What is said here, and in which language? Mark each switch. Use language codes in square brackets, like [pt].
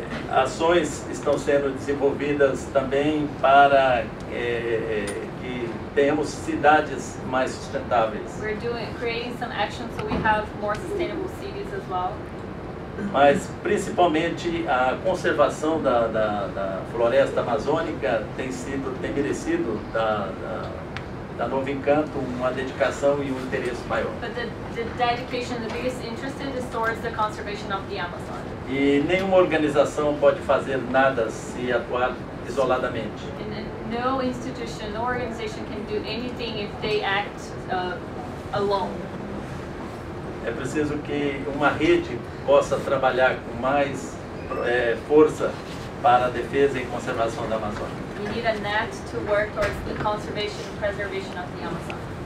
[pt] Ações estão sendo desenvolvidas também para que tenhamos cidades mais sustentáveis. [en] We're creating some actions so we have more sustainable cities as well. [pt] mas principalmente a conservação da floresta amazônica tem merecido da Novo Encanto uma dedicação e um interesse maior. [en] But the dedication, the biggest interest in is towards the conservation of the Amazon. [pt] E nenhuma organização pode fazer nada se atuar isoladamente. [en] And no institution, no organization can do anything if they act alone. [pt] É preciso que uma rede possa trabalhar com mais força para a defesa e conservação da Amazônia. [en] We need a net to work towards the conservation and preservation of the Amazon.